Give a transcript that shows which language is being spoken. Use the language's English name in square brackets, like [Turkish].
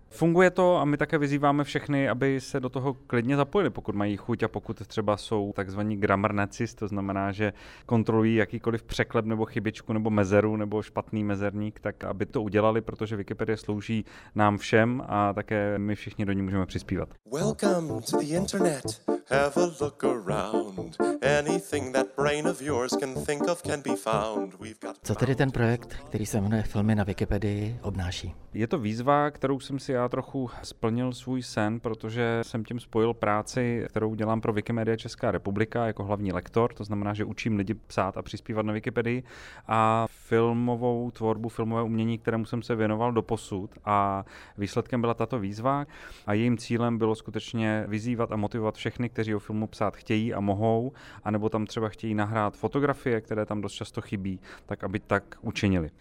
[Czech] Funguje to a my také vyzýváme všechny, aby se do toho klidně zapojili, pokud mají chuť a pokud třeba jsou takzvaní grammarnacisti, to znamená, že kontrolují jakýkoliv překlep nebo chybičku nebo mezeru nebo špatný mezerník, tak aby to udělali, protože Wikipedie slouží nám všem a také my všichni do ní můžeme přispívat. [English] Welcome to the internet. Have a look around. Anything that brain of yours can think of can be found. [Czech] Co tedy ten projekt, který se jmenuje Filmy na Wikipedii, obnáší? Je to výzva, kterou jsem si já trochu splnil svůj sen, protože jsem tím spojil práci, kterou dělám pro Wikimedia Česká republika jako hlavní lektor, to znamená, že učím lidi psát a přispívat na Wikipedii, a filmovou tvorbu, filmové umění, kterému jsem se věnoval doposud, a výsledkem byla tato výzva a jejím cílem bylo skutečně vyzývat a motivovat všechny, kteří o filmu psát chtějí a mohou, anebo tam třeba chtějí nahrát fotografie, které tam dost často chybí, tak aby tak učinili.